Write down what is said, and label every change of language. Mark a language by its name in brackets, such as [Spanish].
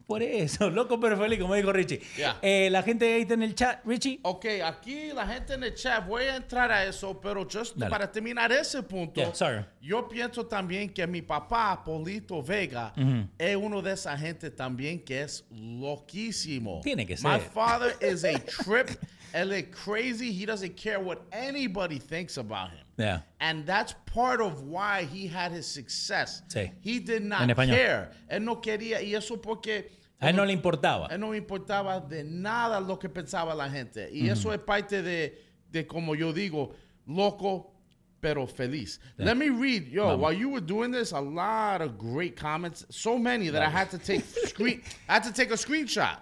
[Spanish] Por eso, loco pero feliz, como dijo Richie. [English] Yeah. [Spanish] La gente ahí está en el chat, Richie. Ok, aquí la gente en el chat, voy a entrar a eso, pero [English] just [Spanish] Dale. Para terminar ese punto, [English] yeah, sorry. [Spanish] Yo pienso también que mi papá, Polito Vega, es uno de esa gente también que es loquísimo. Tiene que ser. [English] My father is a trip, [Spanish] él es [English] crazy, he doesn't care what anybody thinks about him. Yeah. And that's part of why he had his success. [Spanish] Sí. [English] He did not care. [Spanish] Él no quería. Y eso porque... A él no le importaba. Él no importaba de nada lo que pensaba la gente. Y eso es parte de como yo digo, loco, pero feliz. [English] Yeah. Let me read. Yo, Mama. While you were doing this, a lot of great comments. So many that I had to take a screenshot.